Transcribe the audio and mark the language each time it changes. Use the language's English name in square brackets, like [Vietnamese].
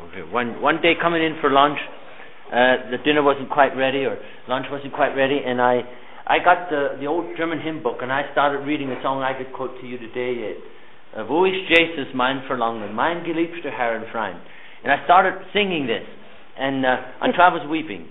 [English] One day coming in for lunch, the dinner wasn't quite ready, or lunch wasn't quite ready, and I got the old German hymn book, and I started reading a song I could quote to you today. [German] Wo ist Jesus, mein Verlangen, mein geliebster Herr und Freund. [English] And I started singing this, and until I was weeping.